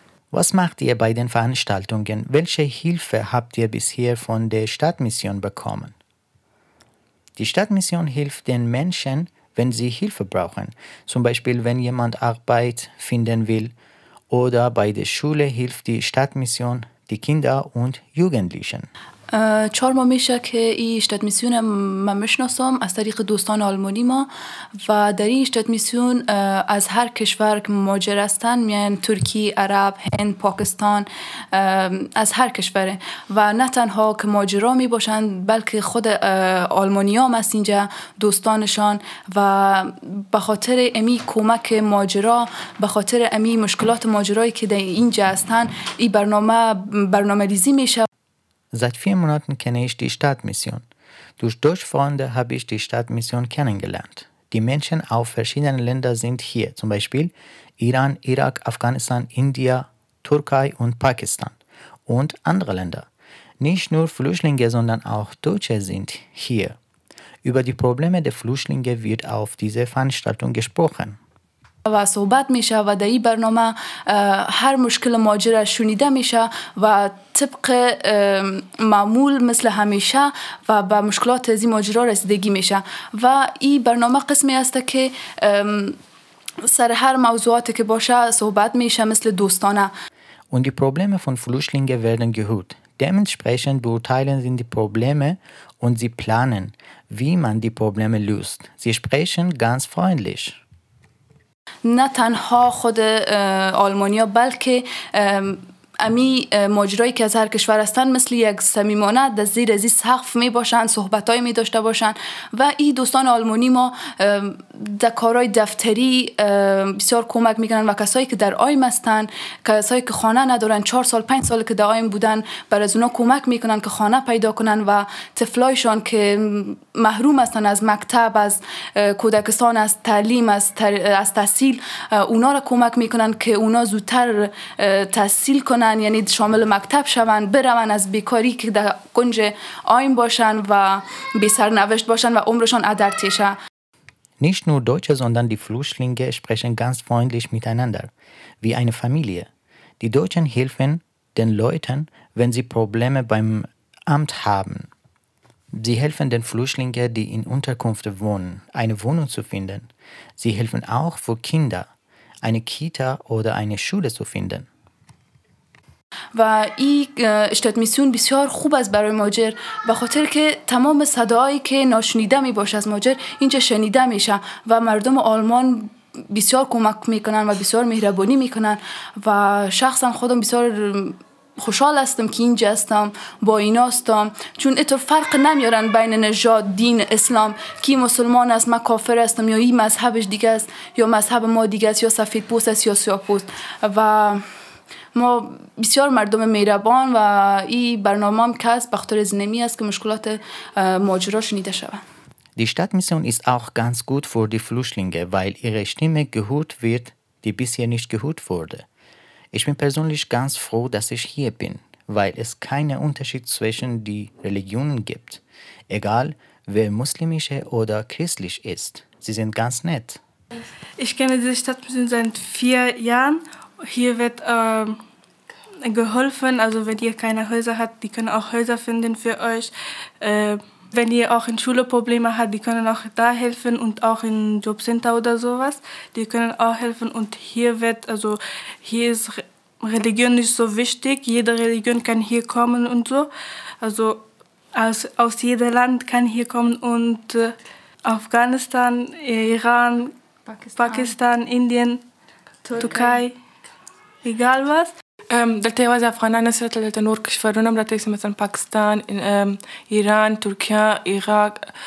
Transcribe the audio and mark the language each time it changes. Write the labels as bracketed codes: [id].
[de] Was macht ihr bei den Veranstaltungen? Welche Hilfe habt ihr bisher von der Stadtmission bekommen? Die Stadtmission hilft den Menschen, wenn sie Hilfe brauchen. Zum Beispiel, wenn jemand Arbeit finden will. Oder bei der Schule hilft die Stadtmission die Kinder und Jugendlichen. [fa] چهار ماه میشه که این استادمیسیون من میشناسم از طریق دوستان آلمانی ما و در این استادمیسیون از هر کشور که مهاجر هستن، میان ترکی، عرب، هند، پاکستان، از هر کشوره و نه تنها که مهاجرا میباشن بلکه خود آلمانی ها هست اینجا دوستانشان و به خاطر امی کمک مهاجرا، به خاطر امی مشکلات مهاجرایی که در اینجا هستن، این برنامه ریزی میشه. [de] Seit 4 Monaten kenne ich die Stadtmission. Durch Deutschfreunde habe ich die Stadtmission kennengelernt. Die Menschen aus verschiedenen Ländern sind hier, zum Beispiel Iran, Irak, Afghanistan, India, Türkei und Pakistan und andere Länder. Nicht nur Flüchtlinge, sondern auch Deutsche sind hier. Über die Probleme der Flüchtlinge wird auf dieser Veranstaltung gesprochen. [fa] و صحبت میشه و در این برنامه هر مشکل مهاجر شنیده میشه و طبق معمول مثل همیشه و به مشکلات از این مهاجرا رسیدگی میشه و این برنامه قسمی است که سر هر موضوعاتی که باشه صحبت میشه مثل دوستانه. [de] Und die Probleme von Flüchtlingen werden gehört. Dementsprechend beurteilen sie die Probleme und sie planen, wie man die Probleme löst. Sie sprechen ganz freundlich. [fa] نه تنها خود آلمانیا بلکه امی مهاجرایی که از هر کشور هستن مثل یک صمیمانه در زیر سقف می باشن، صحبتای می داشته باشن و این دوستان آلمانی ما در کارهای دفتری بسیار کمک میکنن و کسایی که در آیم هستن، کسایی که خانه ندارن، 4 سال 5 سال که در آیم بودن، برای از اونا کمک میکنن که خانه پیدا کنن و طفلایشان که محروم هستن از مکتب، از کودکستان، از تعلیم، از تحصیل، اونا را کمک میکنن که اونا زودتر تحصیل کنن، یعنی شامل مکتب شون، برون از بیکاری که در کنج آیم باشن و بی سرنوشت باشن و عمرشان ادرتیشه. [de] Nicht nur Deutsche, sondern die Flüchtlinge sprechen ganz freundlich miteinander, wie eine Familie. Die Deutschen helfen den Leuten, wenn sie Probleme beim Amt haben. Sie helfen den Flüchtlingen, die in Unterkünften wohnen, eine Wohnung zu finden. Sie helfen auch für Kinder, eine Kita oder eine Schule zu finden. [fa] و این اشتاد میسیون بسیار خوب است برای مهاجر، به خاطر که تمام صداهایی که ناشنیده میباشه از مهاجر اینجا شنیده میشه و مردم آلمان بسیار کمک میکنن و بسیار مهربانی میکنن و شخصا خودم بسیار خوشحال هستم که اینجا هستم، با اینا هستم، چون اینطور فرق نمیارن بین نژاد، دین، اسلام، کی مسلمان است، من کافر هستم، یا این مذهبش دیگه است یا مذهب ما دیگه است، یا سفید پوست است یا سیاه پوست. و ما بسیار مردم مهربان و این برنامه هم که است بخاطر زنمی است که مشکلات مهاجرا شنیده شود. [de] Die Stadtmission ist auch ganz gut für die Flüchtlinge, weil ihre Stimme gehört wird, die bisher nicht gehört wurde. Ich bin persönlich ganz froh, dass ich hier bin, weil es keinen Unterschied zwischen den Religionen gibt. Egal, wer muslimisch oder christlich ist, sie sind ganz nett. Ich kenne diese Stadtmission seit 4 Jahren. Hier wird geholfen, also wenn ihr keine Häuser habt, die können auch Häuser finden für euch. Wenn ihr auch in Schule Probleme habt, die können auch da helfen und auch in Jobcenter oder sowas, die können auch helfen. Und hier wird, also hier ist Religion nicht so wichtig, jede Religion kann hier kommen und so. Also aus jedem Land kann hier kommen und Afghanistan, Iran, Pakistan, Indien, Türkei. Egal was. Dette was afghanane sitte dette nur kishvarunam dette is mesela Pakistan, Iran, Turkey, Irak.